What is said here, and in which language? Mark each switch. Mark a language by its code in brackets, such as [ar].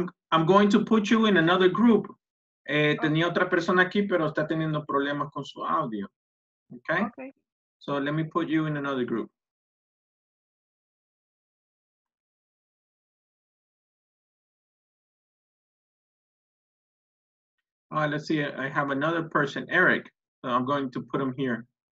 [en] I'm going to put you in another group. [es] Tenía otra persona aquí, pero está teniendo problemas con su audio. [en] Okay? Okay. So let me put you in another group. All right, let's see. I have another person, Eric. So I'm going to put him here.